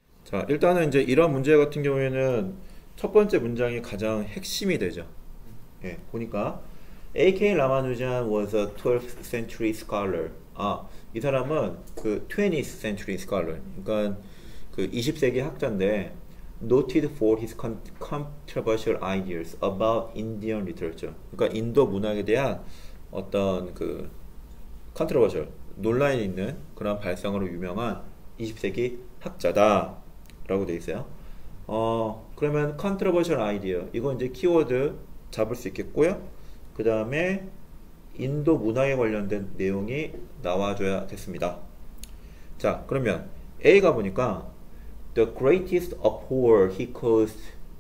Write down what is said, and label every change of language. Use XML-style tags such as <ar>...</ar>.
<ko>자, 일단은 이제 이런 문제 같은 경우에는 첫 번째 문장이 가장 핵심이 되죠. 예, 보니까 A.K.</ko> <en>라마누잔 was a 12th century scholar.</en> <ko>아, 이 사람은 그</ko> <en>20th century scholar.</en> <ko>그러니까 그 20세기 학자인데</ko> <en>noted for his controversial ideas about Indian literature.</en> <ko>그러니까 인도 문학에 대한 어떤 그 controversial 논란이 있는 그런 발상으로 유명한 20세기 학자다. 라고 되어 있어요. 그러면</ko> <en>controversial idea</en> <ko>이거 이제 키워드 잡을 수 있겠고요. 그 다음에 인도 문화에 관련된 내용이 나와줘야 됐습니다. 자, 그러면 A가 보니까</ko> <en>the greatest uproar he caused.</en>